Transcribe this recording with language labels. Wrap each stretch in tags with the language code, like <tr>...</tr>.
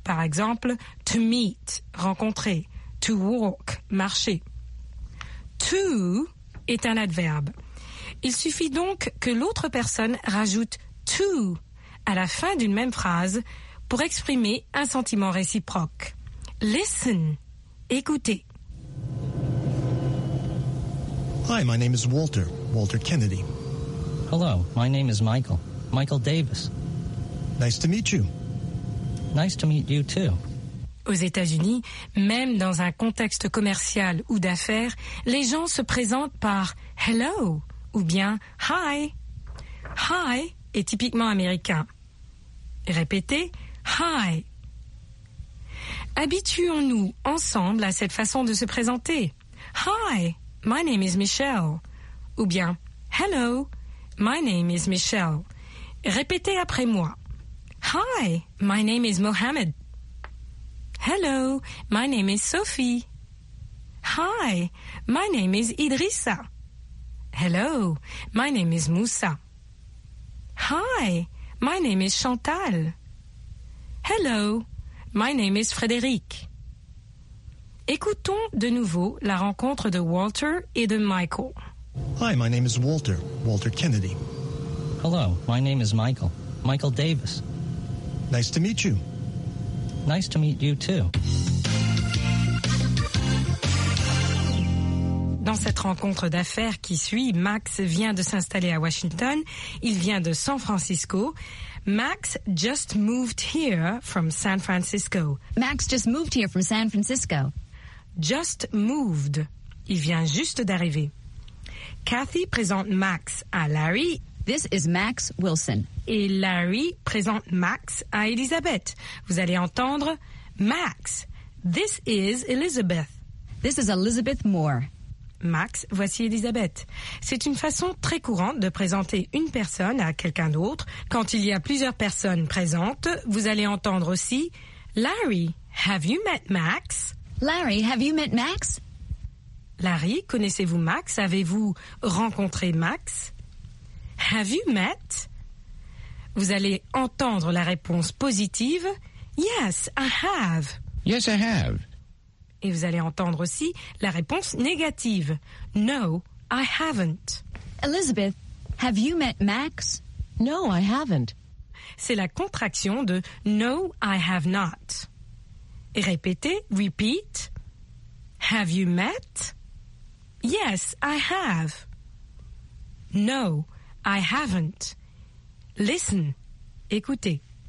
<fr>Par exemple, to meet, rencontrer. To walk, marcher. To est un adverbe. Il suffit donc que l'autre personne rajoute to à la fin d'une même phrase pour exprimer un sentiment réciproque. Listen, écoutez.</fr> <en>Hi, my name is Walter, Walter Kennedy. Hello, my name is Michael, Michael Davis. Nice to meet you. Nice to meet you too.</en> <fr>Aux États-Unis, même dans un contexte commercial ou d'affaires, les gens se présentent par « hello » ou bien « hi ».« Hi » est typiquement américain. Répétez « hi ». Habituons-nous ensemble à cette façon de se présenter.</fr> <en>« Hi, my name is Michelle »</en> <fr>ou bien</fr> <en>« hello, my name is Michelle ».</en> <fr>Répétez après moi.</fr> <en>« Hi, my name is Mohammed ». Hello, my name is Sophie. Hi, my name is Idrissa. Hello, my name is Moussa. Hi, my name is Chantal. Hello, my name is Frédéric.</en> <fr>Écoutons de nouveau la rencontre de Walter et de Michael.</fr> <en>Hi, my name is Walter, Walter Kennedy. Hello, my name is Michael, Michael Davis. Nice to meet you. Nice to meet you too.</en> <fr>Dans cette rencontre d'affaires qui suit, Max vient de s'installer à Washington. Il vient de San Francisco.</fr> <en>Max just moved here from San Francisco. Max just moved here from San Francisco. Just moved.</en> <fr>Il vient juste d'arriver. Kathy présente Max à Larry.</fr> <en>This is Max Wilson.</en> <fr>Et Larry présente Max à Elizabeth. Vous allez entendre Max.</fr> <en>This is Elizabeth. This is Elizabeth Moore.</en> <fr>Max, voici Elizabeth. C'est une façon très courante de présenter une personne à quelqu'un d'autre. Quand il y a plusieurs personnes présentes, vous allez entendre aussi</fr> <en>Larry, have you met Max? Larry, have you met Max?</en> <fr>Larry, connaissez-vous Max? Avez-vous rencontré Max?</fr> <en>Have you met?</en> <fr>Vous allez entendre la réponse positive.</fr> <en>Yes, I have. Yes, I have.</en> <fr>Et vous allez entendre aussi la réponse négative.</fr> <en>No, I haven't. Elizabeth, have you met Max? No, I haven't.</en> <fr>c'est la contraction de</fr> <en>No, I have not.</en> <fr>Répétez,</fr> <en>repeat. Have you met? Yes, I have. No, I haven't. Listen.</en> <fr>Écoutez.</fr>